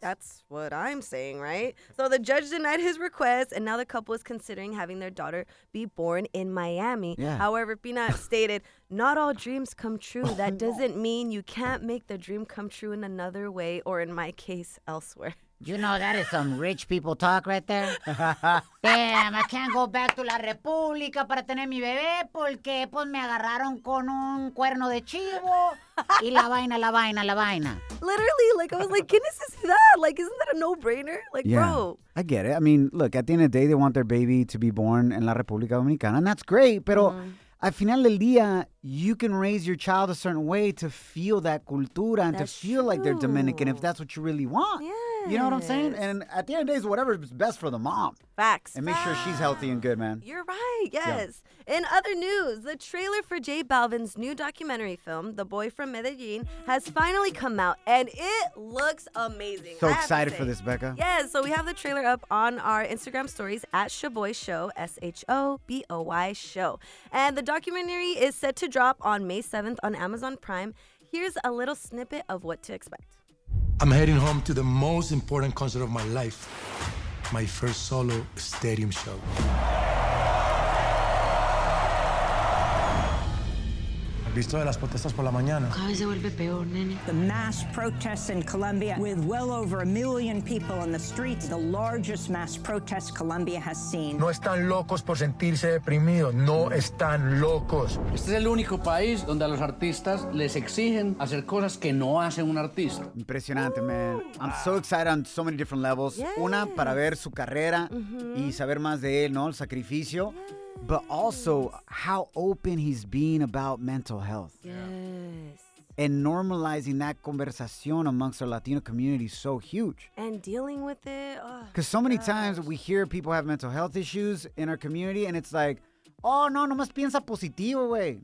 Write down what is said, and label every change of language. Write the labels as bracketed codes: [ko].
[en] That's what I'm saying, right? So the judge denied his request, and now the couple is considering having their daughter be born in Miami. Yeah. However, Pina stated, not all dreams come true. That doesn't mean you can't make the dream come true in another way, or in my case, elsewhere. You know, that is some rich people talk right there. Damn, I can't go back to [es] La República para tener mi bebé porque pues me agarraron con un cuerno de chivo y la vaina, la vaina, la vaina. [en] Literally, like, I was like, can this be that? Like, isn't that a no-brainer? Like, yeah, bro. I get it. I mean, look, at the end of the day, they want their baby to be born in La República Dominicana, and that's great, [es] pero... [en] Mm. [es] Al final del día, [en] you can raise your child a certain way to feel that cultura and that's to feel true. Like they're Dominican if that's what you really want. Yes. You know what I'm saying? And at the end of the day, it's whatever is best for the mom. Facts. And make sure she's healthy and good, man. You're right. Yes. Yeah. In other news, the trailer for J Balvin's new documentary film, The Boy from Medellin, has finally come out. And it looks amazing. So excited for this, Becca. Yes. So we have the trailer up on our Instagram stories at Shaboy Show, S-H-O-B-O-Y Show. And the documentary is set to drop on May 7th on Amazon Prime. Here's a little snippet of what to expect. I'm heading home to the most important concert of my life. My first solo stadium show. [es] Visto de las protestas por la mañana. Cada vez se vuelve peor, nene. [en] The mass protests in Colombia, with well over a million people on the streets, the largest mass protest Colombia has seen. [es] No están locos por sentirse deprimidos. No están locos. Este es el único país donde a los artistas les exigen hacer cosas que no hacen un artista. Impresionante, man. [en] I'm so excited on so many different levels. Yes. [es] Una, para ver su carrera y saber más de él, ¿no? El sacrificio. [en] Yes. But also how open he's being about mental health. Yes. And normalizing that conversation amongst our Latino community is so huge. And dealing with it. Because so many times we hear people have mental health issues in our community and it's like, oh, no, [es] nomás piensa positivo, güey.